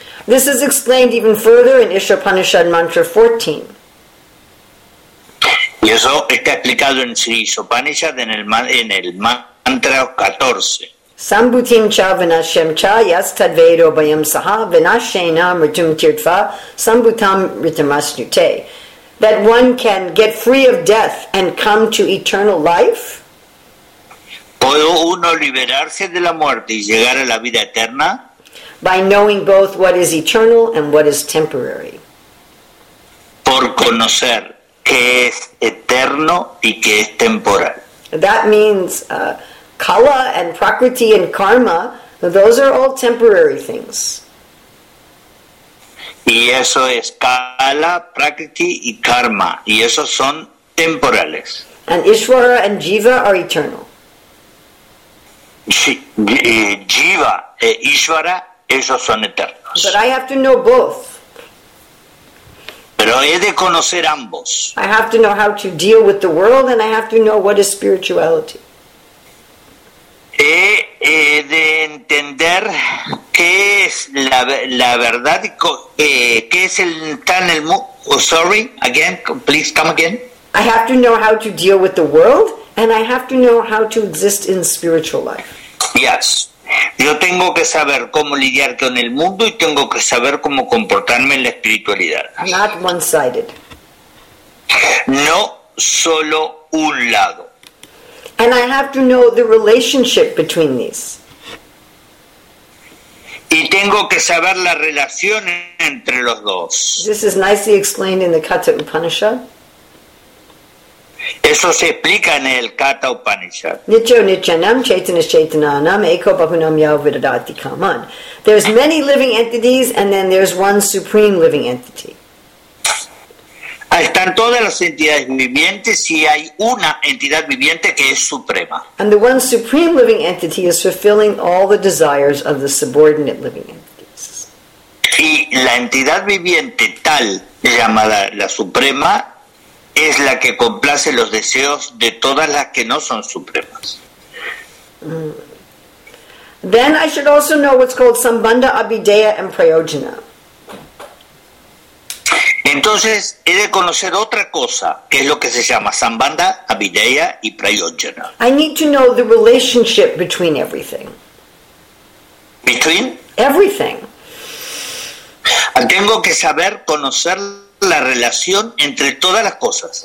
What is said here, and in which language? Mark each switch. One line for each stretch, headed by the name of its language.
English: This is explained even further in Ishopanishad Mantra 14.
Spanish: Y eso está explicado en Ishopanishad en el Mantra 14.
Sanskrit: Sambutim cha vinashem cha yas tadveiro bayam saha vinashena mritum tirtva sambutam ritamasnute.
English: That one can get free of death and come to eternal life.
Spanish: ¿Puedo uno liberarse de la muerte y llegar a la vida eterna?
English: By knowing both what is eternal and what is temporary.
Spanish: Por conocer qué es eterno y qué es temporal.
English: That means kala and prakriti and karma, those are all temporary things.
Spanish: Y eso es kala, prakriti y karma. Y esos son temporales.
English: And Ishvara and Jiva are eternal.
Spanish: Jiva e Ishvara, ellos son eternos.
English: But I have to know both.
Spanish: Pero he de conocer ambos.
English: I have to know how to deal with the world and I have to know what is spirituality.
Spanish: He de entender qué es la verdad y qué es el tan el mundo.
English: Oh, sorry, again, please come again. I have to know how to deal with the world and I have to know how to exist in spiritual life. Yes.
Spanish: Yo tengo que saber cómo lidiar con el mundo y tengo que saber cómo comportarme en la espiritualidad.
English: Not one-sided.
Spanish: No solo un lado.
English: And I have to know the relationship between these.
Spanish: Y tengo que saber la relación entre los dos.
English: This is nicely explained in the Katha Upanishad.
Spanish: Eso se explica en el Katha Upanishad.
Sanskrit: Nityo nityanam chaitana chaitananam eko bahunam yau vidadati kaman.
English: There's many living entities and then there's one supreme living entity.
Spanish: Están todas las entidades vivientes y hay una entidad viviente que es suprema.
English: And the one supreme living entity is fulfilling all the desires of the subordinate living entities.
Spanish: Y la entidad viviente tal llamada la suprema es la que complace los deseos de todas las que no son supremas.
English: Then I should also know what's called Sambandha, Abhideya and Prayojana.
Spanish: Entonces he de conocer otra cosa, que es lo que se llama Sambandha, Abhideya y Prayojana.
English: I need to know the relationship between everything. Between? Everything.
Spanish: Tengo que saber conocer la relación entre todas las cosas.